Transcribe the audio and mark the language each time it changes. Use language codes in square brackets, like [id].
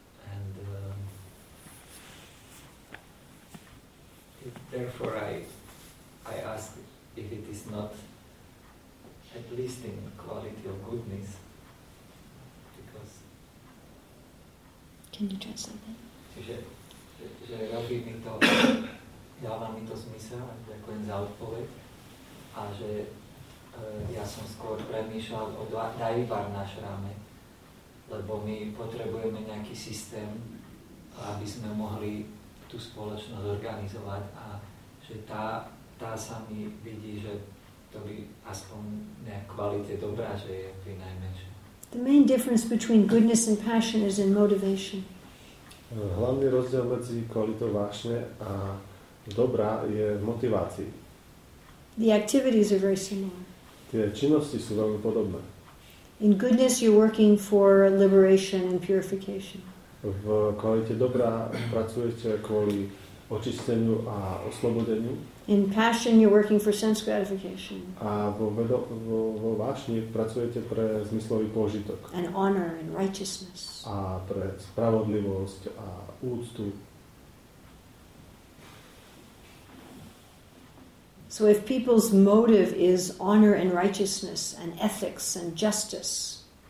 [en] And therefore I ask if it is not at least in quality of goodness, because can you translate that? [sk] Že robí mi to, dáva mi to zmysel, ďakujem za odpoveď, a že ja som skôr premýšľal o Daivi Varnashrame, lebo my potrebujeme nejaký systém, aby sme mohli tú spoločnosť organizovať, a že tá sa mi vidí, že to by aspoň nejaká kvalita dobrá, že je pri najmenšie. [en] The main difference between goodness and passion is in motivation. [sk] Hlavný rozdiel medzi kvalitou vášne a dobrá je v motivácii. [en] The activities are very similar. [sk] Tie činnosti sú veľmi podobné. [en] In goodness you're working for liberation and purification. [sk] V kvalite dobrá pracujete kvôli očisteniu a oslobodeniu. [en] In passion you're working for sense gratification. [sk] A vo vášni pracujete pre zmyslový pôžitok. [en] And honor and righteousness. [sk] A pre spravodlivosť a úctu. [en] So if people's motive is honor and righteousness and ethics and justice.